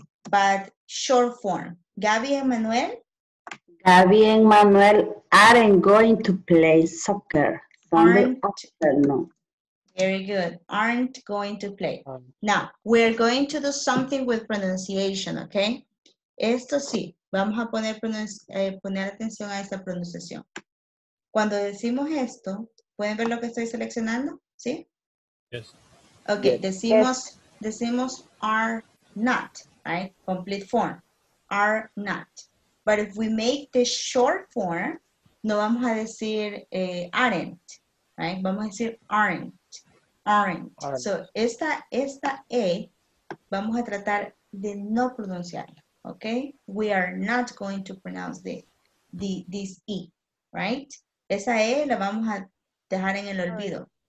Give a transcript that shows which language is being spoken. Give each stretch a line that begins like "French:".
English: But short form. Gabby and Manuel? Gabby and Manuel aren't going to play soccer. Very good. Aren't going to play. Now, we're going to do something with pronunciation, okay?
Spanish: Esto sí. Vamos a poner, poner atención a esta pronunciación. Cuando decimos esto, ¿pueden ver lo que estoy seleccionando? ¿Sí?
English: Yes.
Spanish: Ok, yes.
English: Decimos are not, right? Complete form. Are not. But if we make the short form,
Spanish: no vamos a decir
English: aren't, right?
Spanish: Vamos a decir aren't.
English: Aren't. Aren't. So,
Spanish: esta E, vamos a tratar de no pronunciarla.
English: Okay, we are not going to pronounce this E, right?
Spanish: Esa E la vamos a dejar en el olvido.